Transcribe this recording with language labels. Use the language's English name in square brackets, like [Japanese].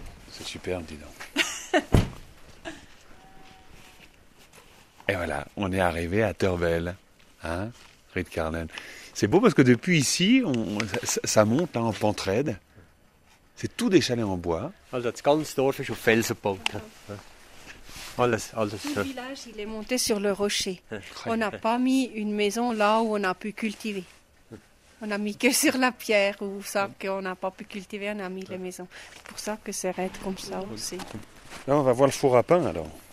[French] C'est superbe, dis donc. Et voilà, on est arrivé à Teurbel, hein, Rietkerken. C'est beau parce que depuis ici, ça monte en pente raide. C'est tout des chalets en bois. [German] Also, das ganze Dorf ist auf Felsen gebaut. Alles. [French] Tout le village, il est monté sur le rocher. On n'a pas mis une maison là où on a pu cultiver. On a mis que sur la pierre où ça qu'on n'a pas pu cultiver, on a mis les maisons. C'est pour ça que c'est raide comme ça aussi. Là, on va voir le four à pain alors.